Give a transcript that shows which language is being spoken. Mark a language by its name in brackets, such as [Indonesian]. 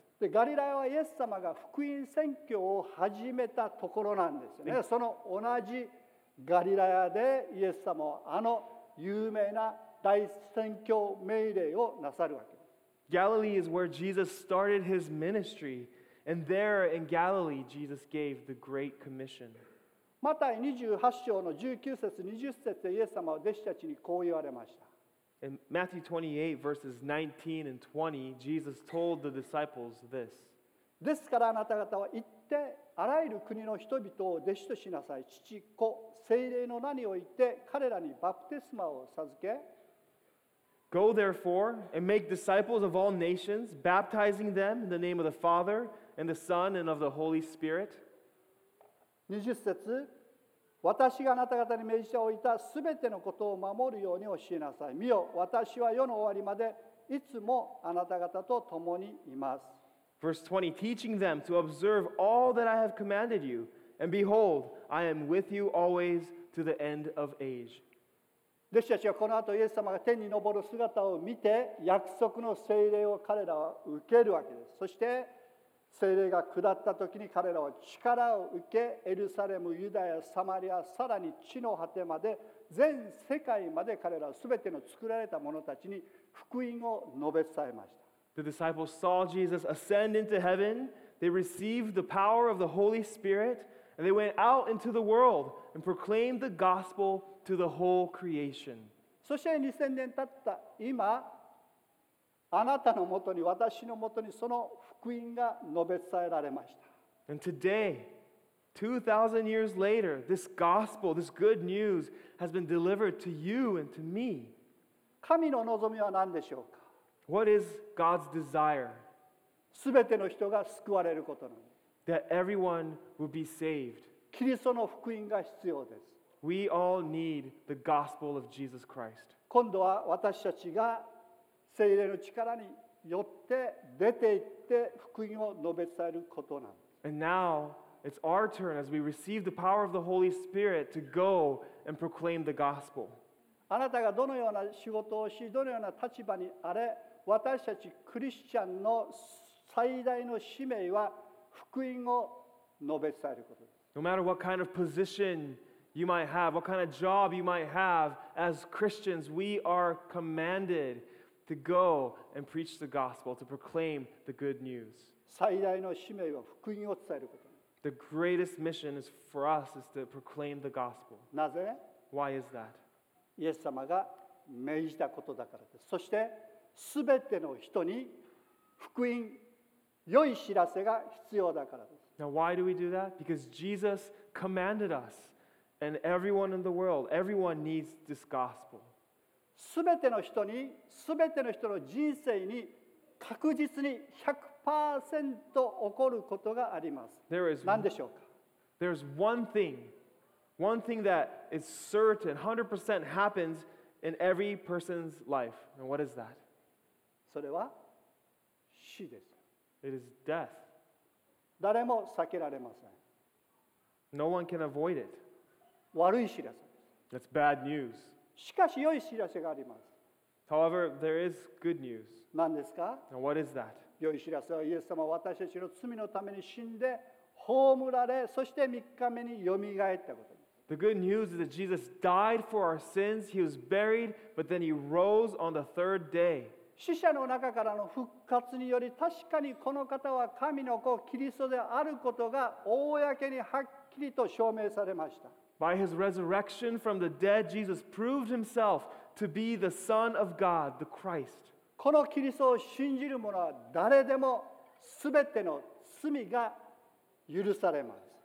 [Japanese] で、ガリラヤはイエス様が福音宣教を始めたところなんですよね。その同じガリラヤでイエス様はあの有名な大宣教命令をなさるわけです。 [English] Galilee is where Jesus started his ministry, and there in Galilee, Jesus gave the great commission. [Japanese] マタイ28章の19節、20節でイエス様は弟子たちにこう言われました。 [English] In Matthew 28, verses 19 and 20, Jesus told the disciples this. [Japanese] ですからあなた方は行って、あらゆる国の人々を弟子としなさい。父、子、聖霊の名において、彼らにバプテスマを授け。 [English] Go therefore and make disciples of all nations, baptizing them in the name of the Father and the Son and of the Holy Spirit. [Japanese] 20節。私があなた方に命じておいたすべてのことを守るように教えなさい。見よ、私は世の終わりまでいつもあなた方と共にいます。 [English] Verse 20, teaching them to observe all that I have commanded you, and behold, I am with you always to the end of age. [Japanese] 弟子たちはこの後イエス様が天に昇る姿を見て、約束の聖霊を彼らは受けるわけです。そして、聖霊が下った時に彼らは力を受け、エルサレム、ユダヤ、サマリア、さらに地の果てまで、全世界まで彼らは全ての作られた者たちに福音を述べ伝えました。 [English] The disciples saw Jesus ascend into heaven. They received the power of the Holy Spirit, and they went out into the world and proclaimed the gospel to the whole creation. [Japanese] そして2000年経った今、あなたのもとに私のもとにその福音が述べ伝えられました。 [English] And today, 2,000 years later, this gospel, this good news has been delivered to you and to me. [Japanese] 神の望みは何でしょうか? [English] What is God's desire? [Japanese] すべての人が救われることなの。 [English] That everyone would be saved. [Japanese] キリストの福音が必要です。 [English] We all need the gospel of Jesus Christ. [Japanese] 今度は私たちが聖霊の力によって出て行って福音を述べ伝えることなんです。 [English] And now it's our turn as we receive the power of the Holy Spirit to go and proclaim the gospel. [Japanese] あなたがどのような仕事をし、どのような立場にあれ、私たちクリスチャンの最大の使命は福音を述べ伝えることです。 [English] No matter what kind of position you might have, what kind of job you might have, as Christians, we are commanded. To go and preach the gospel, to proclaim the good news. [Japanese] 最大の使命は福音を伝えること。 [English] The greatest mission is for us is to proclaim the gospel. [Japanese] なぜ? [English] Why is that? [Japanese] イエス様が命じたことだからです。そして、すべての人に福音、良い知らせが必要だからです。 [English] Now why do we do that? Because Jesus commanded us, and everyone in the world, everyone needs this gospel. [Japanese] すべての人に、すべての人の人生に確実に 100% 起こることがあります。何でしょうか? [English] There is one thing that is certain, 100% happens in every person's life. And what is that? [Japanese] それは死です。 [English] It is death. [Japanese] 誰も避けられません。 [English] No one can avoid it. [Japanese] 悪い知らせ。 [English] That's bad news. [Japanese] しかし良い知らせがあります。 [English] However, there is good news. [Japanese] 何ですか? [English] And what is that? [Japanese] 良い知らせはイエス様は私たちの罪のために死んで葬られ、そして3日目によみがえったことです。 [English] The good news is that Jesus died for our sins. He was buried, but then he rose on the third day. [Japanese] 死者の中からの復活により、確かにこの方は神の子、キリストであることが公にはっきりと証明されました。 [English] By his resurrection from the dead, Jesus proved himself to be the Son of God, the Christ. [Japanese] このキリストを信じる者は誰でも全ての罪が許されます。